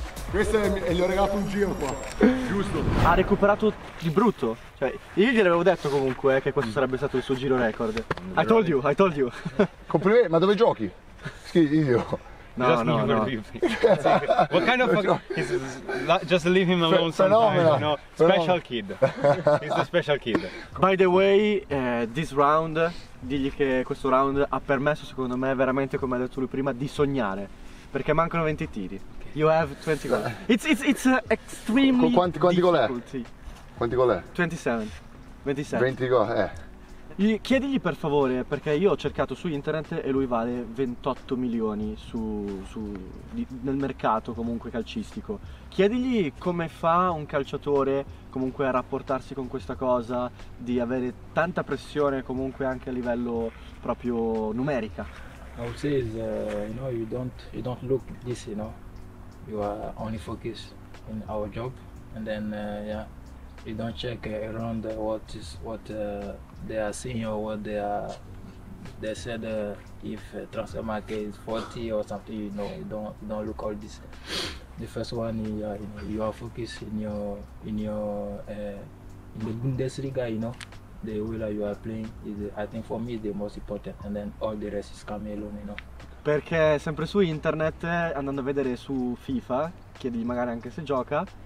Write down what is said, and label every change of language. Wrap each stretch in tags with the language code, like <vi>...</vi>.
<it>Questo è, gli ho regalato un giro qua. Giusto. Ha recuperato di brutto. Cioè, io gli avevo detto comunque che questo sarebbe stato il suo giro record.</it> <en>I told you.</en> <it>Complimenti, ma dove giochi? Schifo. No.</it> <en>What kind of just leave him alone sometimes, phenomenal. You know? Special kid. He's a special kid. By the way, this round,</en> <it>digli che questo round ha permesso, secondo me, veramente, come ha detto lui prima, di sognare. Perché mancano 20 tiri.</it> <en>You have 20 goals. It's extremely</en> <it>difficult. Quanti gol è? 27 gol, Chiedigli per favore, perché io ho cercato su internet e lui vale 28 milioni nel mercato comunque calcistico. Chiedigli come fa un calciatore comunque a rapportarsi con questa cosa di avere tanta pressione comunque anche a livello proprio numerica.</it> <en>I would say is, you know, you don't look this, you know. You are only focused in our job, and then you don't check around what they are seeing or what they are. They said if transfer market is 40 or something, you know, you don't look all this. The first one, you are focused in the Bundesliga, you know. The way you are playing is, I think for me, is the most important, and then all the rest is coming alone, you know.</en> <it>Perché sempre su internet, andando a vedere su FIFA, chiedigli magari anche se gioca.</it>